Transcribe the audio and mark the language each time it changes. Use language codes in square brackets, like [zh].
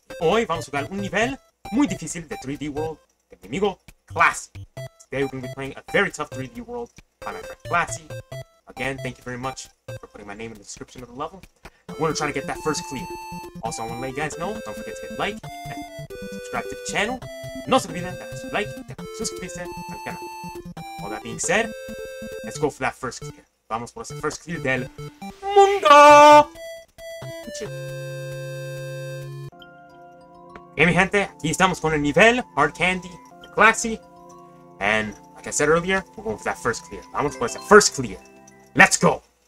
[es] Hoy vamos a jugar un nivel muy difícil de 3D World de mi amigo Classy. [en] Today we're going to be playing a very tough 3D World by my friend Classy. Again, thank you very much for putting my name in the description of the level. I'm going to try to get that first clear. Also, I want to let you guys know, don't forget to hit like and subscribe to the channel. [es] No se olviden de dar su like y suscribirse al canal. [en] All that being said, let's go for that first clear. [es] Vamos por ese first clear del mundo! Hey, mi gente, aquí estamos con el nivel, hard candy, classy. [en] And like I said earlier, we're going for that first clear. [es] Vamos por ese first clear. [en] Let's go!